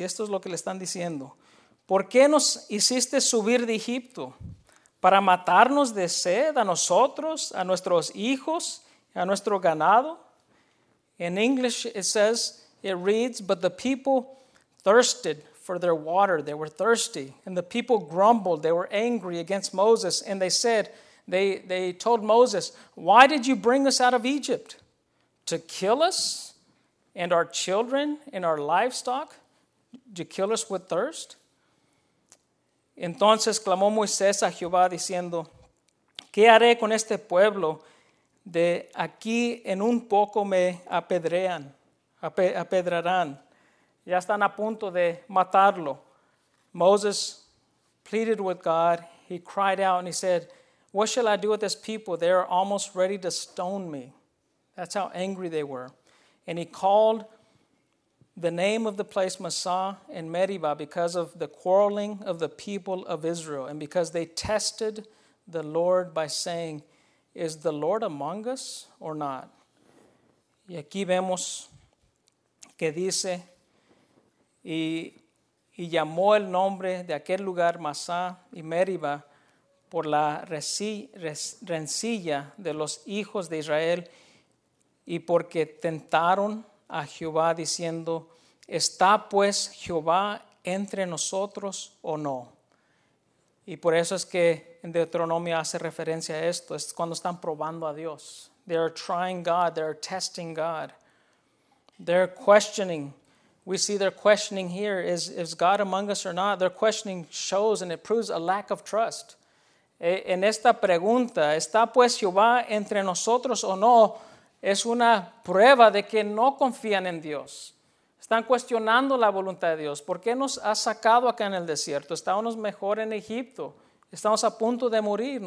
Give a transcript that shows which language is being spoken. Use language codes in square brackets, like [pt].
[es] Y esto es lo que le están diciendo. ¿Por qué nos hiciste subir de Egipto? ¿Para matarnos de sed a nosotros, a nuestros hijos, a nuestro ganado? [en] In English it says, it reads, but the people thirsted for their water. They were thirsty. And the people grumbled. They were angry against Moses. And they said, they told Moses, why did you bring us out of Egypt? To kill us and our children and our livestock? To kill us with thirst? [es] Entonces clamó Moisés a Jehová diciendo, ¿qué haré con este pueblo? De aquí en un poco me apedrearán. Ya están a punto de matarlo. [en] Moses pleaded with God. He cried out and he said, what shall I do with this people? They are almost ready to stone me. That's how angry they were. And he called the name of the place Massah and Meribah because of the quarreling of the people of Israel and because they tested the Lord by saying, is the Lord among us or not? [es] Y aquí vemos que dice, y llamó el nombre de aquel lugar Massah y Meribah por la rencilla de los hijos de Israel y porque tentaron a Jehová diciendo, ¿está pues Jehová entre nosotros o no? Y por eso es que en Deuteronomio hace referencia a esto, es cuando están probando a Dios. [en] They are trying God, they are testing God. They're questioning. We see their questioning here, is God among us or not? Their questioning shows and it proves a lack of trust. [es] En esta pregunta, ¿está pues Jehová entre nosotros o no? Es una prueba de que no confían en Dios. Están cuestionando la voluntad de Dios. ¿Por qué nos ha sacado acá en el desierto? Estábamos mejor en Egipto. Estamos a punto de morir.